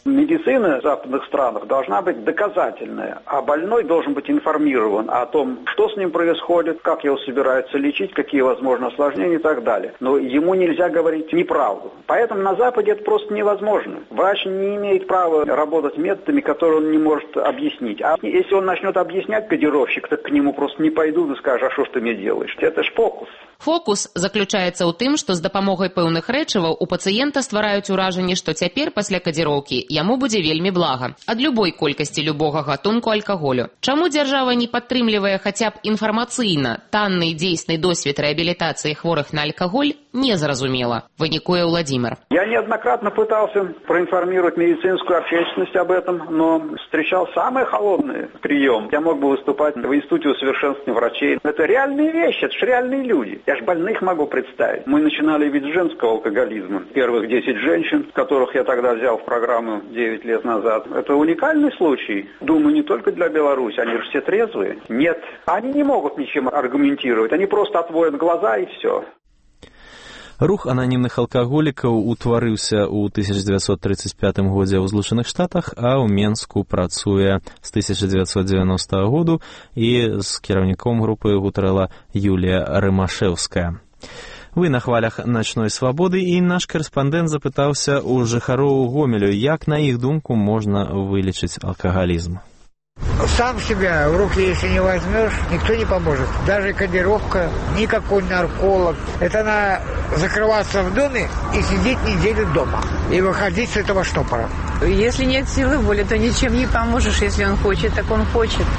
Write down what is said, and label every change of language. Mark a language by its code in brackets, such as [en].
[ru] Медицина в западных странах должна быть доказательная, а больной должен быть информирован о том, что с ним происходит, как его собираются лечить, какие возможны осложнения и так далее. Но ему нельзя говорить неправду. Поэтому на Западе это просто невозможно. Врач не имеет права работать методами, которые он не может объяснить. А если он начнет объяснять кодировщик, так к нему просто не пойдут и скажут, а что ж ты мне делаешь? Это ж фокус. Фокус заключается [be] у тым, что с допомогой пэўных рэчываў у пациента ствараюць уражанне, что цяпер пасля кадзіроўкі яму будзе вельмі блага. Ад любой колькасці любога гатунку алкаголю. Чаму дзяржава не падтрымлівае хаця б інфармацыйна танны дзейсны досвід рэабілітацыі хворых на алкаголь, не зразумела, вынікуе Владимир. [ru] Я неоднократно пытался проинформировать медицинскую общественность об этом, но встречал самый холодный прием. Я мог бы выступать в институте усовершенствования врачей. Это реальные вещи, это же реальные люди. Я же больных могу представить. Мы начинали ведь с женского алкоголизма. Первых 10 женщин, которых я тогда взял в программу 9 лет назад. Это уникальный случай. Думаю, не только для Беларуси, они же все трезвые. Нет, они не могут ничем аргументировать. Они просто отводят глаза и все. [be] Рух ананімных алкаголікаў утварыўся ў 1935 годзе ў Злучаных Штатах, а ў Менску працуе з 1990 году, і з кіраўніком групы гутарыла Юлія Рымашэўская. Вы на хвалях начной свабоды, і наш корэспандэнт запытаўся ў жыхароў Гомелю, як на іх думку можна вылечыць алкагалізм. [ru] Сам себя в руки, если не возьмешь, никто не поможет. Даже кодировка, никакой нарколог. Это надо закрываться в доме и сидеть неделю дома. И выходить с этого штопора. Если нет силы воли, то ничем не поможешь. Если он хочет, так он хочет.